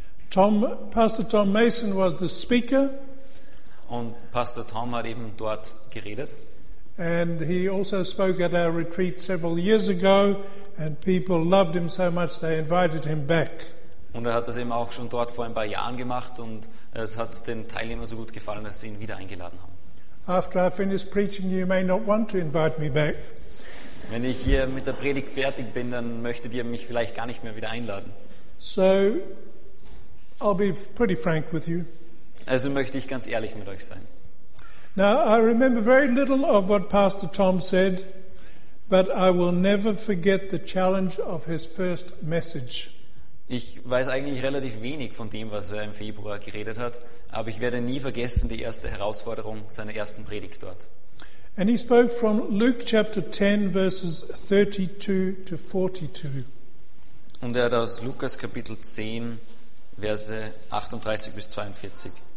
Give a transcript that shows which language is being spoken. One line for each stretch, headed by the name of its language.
English: Pastor Tom Mason was the speaker.
German: Und Pastor Tom hat eben dort geredet.
English: And he also spoke at our retreat several years ago, and people loved him so much they invited him back.
German: Und hat das eben auch schon dort vor ein paar Jahren gemacht, und es hat den Teilnehmern so gut gefallen, dass sie ihn wieder eingeladen haben.
English: After I finish preaching, you may not want to invite me back.
German: Wenn ich hier mit der Predigt fertig bin, dann möchtet ihr mich vielleicht gar nicht mehr wieder einladen.
English: So, I'll be pretty frank with you.
German: Also möchte ich ganz ehrlich mit euch sein.
English: Now, I remember very little of what Pastor Tom said, but I will never forget the challenge of his first message.
German: Ich weiß eigentlich relativ wenig von dem, was er im Februar geredet hat, aber ich werde nie vergessen die erste Herausforderung seiner ersten Predigt dort.
English: And he spoke from Luke chapter 10, verses 32 to 42.
German: Und er hat aus Lukas Kapitel 10, Verse 38 bis 42.